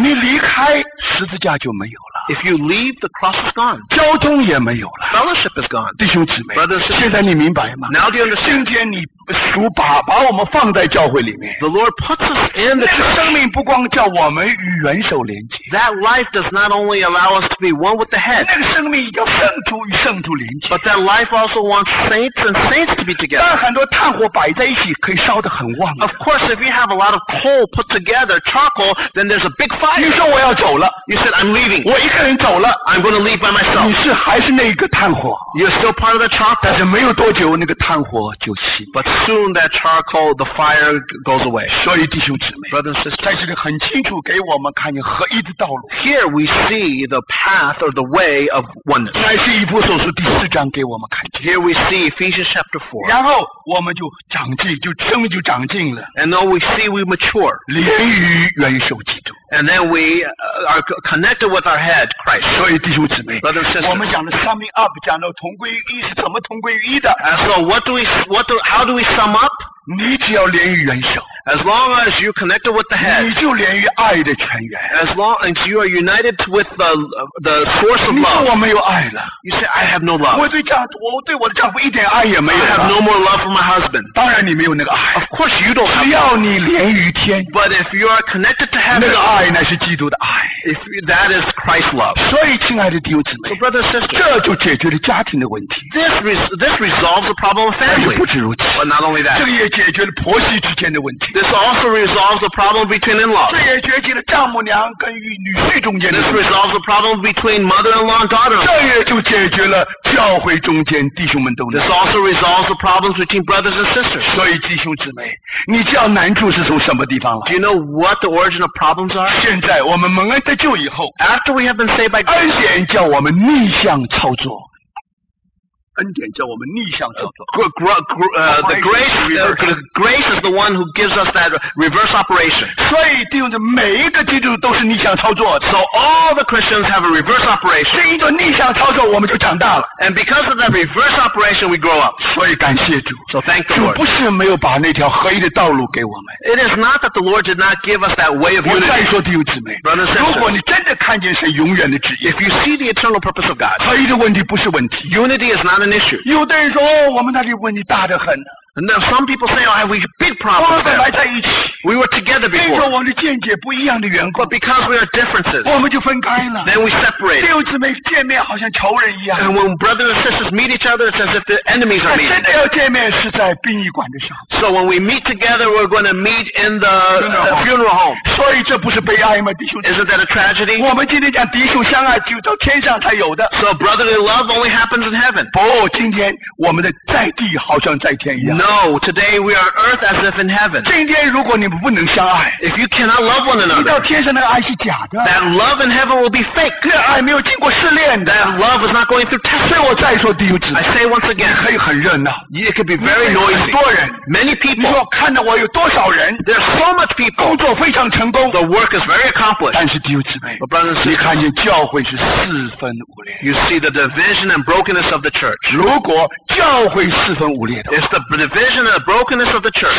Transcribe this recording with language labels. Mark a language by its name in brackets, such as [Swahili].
[Chinese] 你离开十字架就没有了。 [English] If you leave, the cross is gone. [Chinese] 交通也没有了。 [English] Fellowship is gone. [Chinese] 弟兄姊妹 [English] Brothers and sisters, [Chinese] 现在你明白吗 [English] Now do you understand? [Chinese] 今天你主把我们放在教会里面。 [English] The Lord puts us in the church. [Chinese] 那个生命不光叫我们与元首连接。 [English] That life does not only allow us to be one with the head. [Chinese] 那个生命叫圣徒与圣徒连接。 [English] But that life also wants saints and saints to be together. [Chinese] 但很多炭火摆在一起可以烧得很旺。 [English] Of course, if you have a lot of coal put together, charcoal, then there's a big fire. [Chinese] 你说我要走了。 [English] You said, I'm leaving. [Chinese] 我一个人走了。 [English] I'm going to leave by myself. [Chinese] 你是还是那一个炭火。 [English] You're still part of the charcoal. [Chinese] 但是没有多久那个炭火就熄。 [English] But soon that charcoal, the fire goes away. [Chinese] 所以弟兄姊妹 [English] Brothers and sisters, [Chinese] 在这里很清楚给我们看见合一的道路。 [English] Here we see the path or the way of oneness. [Chinese] 乃是以弗所书第四章给我们看见。 [English] Here we see Ephesians chapter 4. [Chinese] 然后我们就长进，就生命就长进了。 [English] And now we see we mature. [Chinese] 连于元首基督。 [English] And then we are connected with our head, Christ. [Chinese] 所以弟兄姊妹 [English] Brothers and sisters, [Chinese] 我们讲的 [English] summing up, [Chinese] 讲到同归于一是怎么同归于一的。 [English] And so how do we sum up? [Chinese] 你只要连于元首。 [English] As long as you're connected with the head. [Chinese] 你就连于爱的泉源。 [English] As long as you are united with the source of love. [Chinese] 你说我没有爱了。 [English] You say, I have no love. [Chinese] 我对我的丈夫一点爱也没有。 [English] I have no more love for my husband. [Chinese] 当然你没有那个爱。 [English] Of course you don't have [Chinese] love. 只要你连于天。 [English] But if you are connected to heaven. [Chinese] 那个爱乃是基督的爱。 [English] That is Christ's love. [Chinese] 所以亲爱的弟兄姊妹。 [English] So brother and sister. [Chinese] 这就解决了家庭的问题。 [English] This resolves the problem of family. [Chinese] 而且不止如此。 [English] But not only that. [Chinese] 这个也解决了婆媳之间的问题。 [English] This also resolves the problem between in-laws. This resolves the problem between mother-in-law and daughter-in-law. This also resolves the problems between brothers and sisters. [Chinese] 所以弟兄姊妹，你知道难处是从什么地方来？ [English] Do you know what the origin of problems are? [Chinese] 现在我们蒙恩得救以后， [English] After we have been saved by [Chinese] grace, 恩典叫我们逆向操作。恩典叫我们逆向操作。 [English] The grace is the one who gives us that reverse operation. [Chinese] 所以弟兄姊妹，每一个基督徒都是逆向操作。 [English] So all the Christians have a reverse operation. [Chinese] 是因着逆向操作，我们就长大了。 [English] And because of that reverse operation, we grow up. [Chinese] 所以感谢主。 [English] So thank you. [Chinese] 主不是没有把那条合一的道路给我们。 [English] It is not that the Lord did not give us that way of unity. [Chinese] 我再说弟兄姊妹 [English] Brother and sister, [Chinese] 如果你真的看见神永远的旨意 [English] ，If you see the eternal purpose of God, [Chinese] 合一的问题不是问题。 [English] Unity is not an issue. [Chinese] 有的人说、哦、我们那里问题大得很。 [English] And now some people say, oh, we have big problems. [Chinese] 我们本来在一起。 [English] We were together before. [Chinese] 因为我们的见解不一样的缘故。 [English] But because we are differences. [Chinese] 我们就分开了。 [English] Then we separate. [Chinese] 弟兄姊妹见面好像仇人一样。 [English] And when brothers and sisters meet each other, it's as if the enemies are meeting. [Chinese] 真的要见面是在殡仪馆的时候。 [English] So when we meet together, we're going to meet in the funeral home. [Chinese] 所以这不是悲哀吗弟兄姊妹。 [English] Isn't that a tragedy? [Chinese] 我们今天讲弟兄相爱就到天上才有的。 [English] So brotherly love only happens in heaven. [Chinese] 不今天我们的在地好像在天一样。 [English] No, today we are earth as if in heaven. [Chinese] 今天如果你不能相爱 [English] If you cannot love one another, [Chinese] 你到天上的爱是假的 [English] That love in heaven will be fake. [Chinese] 那爱没有经过试炼的 [English] That love is not going through test. [Chinese] 所以我再说弟兄姊妹 [English] I say once again, [Chinese] 你可以很热闹 [English] It could be very noisy. [Chinese] 多人 [English] Many people. [Chinese] 你说看到我有多少人 [English] There are so much people. [Chinese] 工作非常成功 [English] The work is very accomplished. [Chinese] 但是弟兄姊妹 [English] But brothers and sisters, [Chinese] 你看见教会是四分五裂 [English] You see the division and brokenness of the church. [Chinese] 如果教会四分五裂的 [English] It's the division and the brokenness of the church.